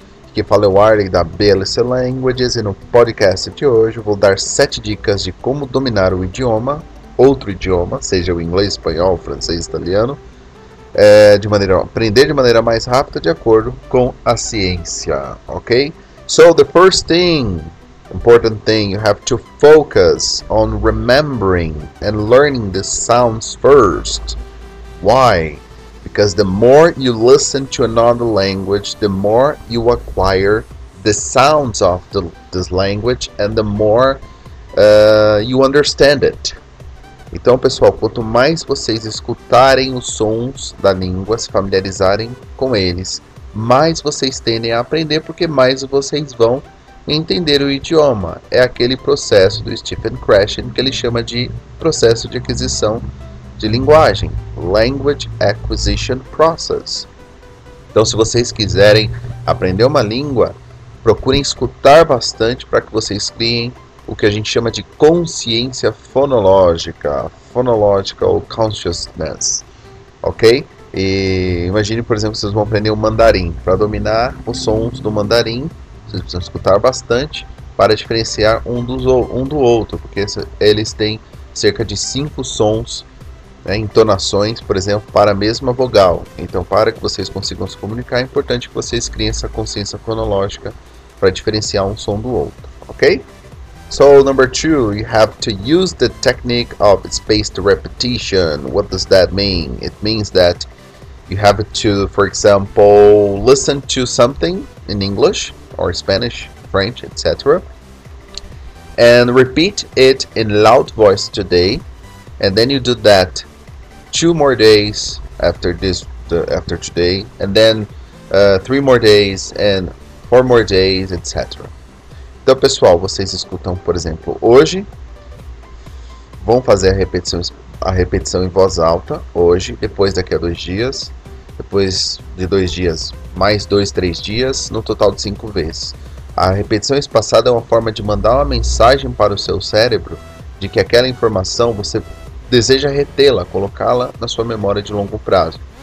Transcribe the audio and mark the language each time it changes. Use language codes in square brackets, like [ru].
[pt] Aqui fala o Arley da BLC Languages e no podcast de hoje vou dar 7 dicas de como dominar o idioma, outro idioma, seja o inglês, espanhol, francês, italiano. Aprender de maneira mais rápida de acordo com a ciência, ok? [en] So, the first thing, important thing, you have to focus on remembering and learning the sounds first. Why? Because the more you listen to another language, the more you acquire the sounds of this language and the more you understand it. [pt] Então, pessoal, quanto mais vocês escutarem os sons da língua, se familiarizarem com eles, mais vocês tendem a aprender, porque mais vocês vão entender o idioma. É aquele processo do Stephen Krashen, que ele chama de processo de aquisição de linguagem, [en] Language Acquisition Process. [pt] Então, se vocês quiserem aprender uma língua, procurem escutar bastante para que vocês criem o que a gente chama de consciência fonológica, [en] phonological consciousness, [pt] ok? E imagine, por exemplo, que vocês vão aprender o mandarim. Para dominar os sons do mandarim, vocês precisam escutar bastante para diferenciar um do outro, porque eles têm cerca de 5 sons, né, entonações, por exemplo, para a mesma vogal. Então, para que vocês consigam se comunicar, é importante que vocês criem essa consciência fonológica para diferenciar um som do outro, ok? [en] So, number 2, you have to use the technique of spaced repetition. What does that mean? It means that you have to, for example, listen to something in English or Spanish, French, etc. And repeat it in loud voice today. And then you do that 2 more days after this, after today. And then 3 more days and 4 more days, etc. [pt] Então, pessoal, vocês escutam, por exemplo, hoje, vão fazer a repetição em voz alta, hoje, depois daqui a 2 dias, depois de 2 dias, mais 2, 3 dias, no total de 5 vezes. A repetição espaçada é uma forma de mandar uma mensagem para o seu cérebro de que aquela informação você deseja retê-la, colocá-la na sua memória de longo prazo.